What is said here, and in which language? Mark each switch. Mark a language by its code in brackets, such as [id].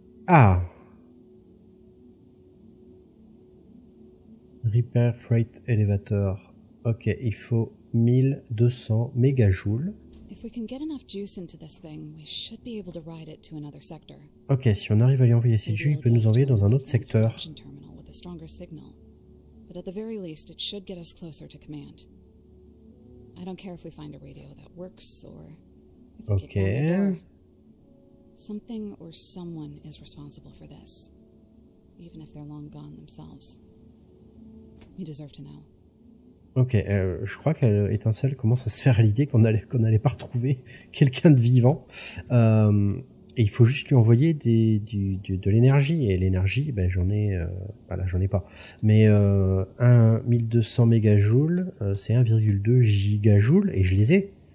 [en] Ah. Repair freight elevator. [fr] Ok, il faut 1200 mégajoules. [en] If we can get enough juice into this thing, we should be able to ride it to another sector. [fr] Ok, si on arrive à lui envoyer assez de jus, il peut nous envoyer dans un autre secteur. [en] With a stronger signal. But at the very least, it should get us closer to command. I don't care if we find a radio that works or if [fr] Ok. [en] We get down the door. Something or someone is responsible for this. Even if they're long gone themselves. You deserve to know. [fr] Ok, je crois que l'étincelle commence à se faire l'idée qu'on n'allait pas retrouver quelqu'un de vivant. Et il faut juste lui envoyer de l'énergie. Et l'énergie, ben, j'en ai, voilà, j'en ai pas. Mais 1200 mégajoules, c'est 1,2 gigajoules. Et je les ai.